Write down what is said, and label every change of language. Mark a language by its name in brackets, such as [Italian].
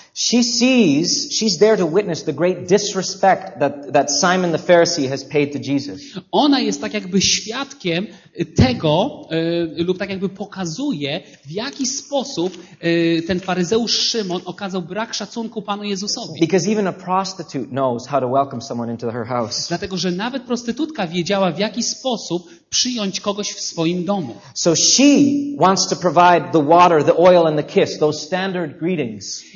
[English] She sees, she's there to witness the great disrespect that Simon the Pharisee has paid to Jesus. [Polish] Ona jest tak jakby świadkiem tego, lub tak jakby pokazuje, w jaki sposób ten faryzeusz Szymon okazał brak szacunku Panu Jezusowi. [English] Because even a prostitute knows how to welcome someone into her house. [Polish] Dlatego, że nawet prostytutka wiedziała, w jaki sposób przyjąć kogoś w swoim domu. [English] So she wants to provide the water, the oil and the kiss, those standard greetings.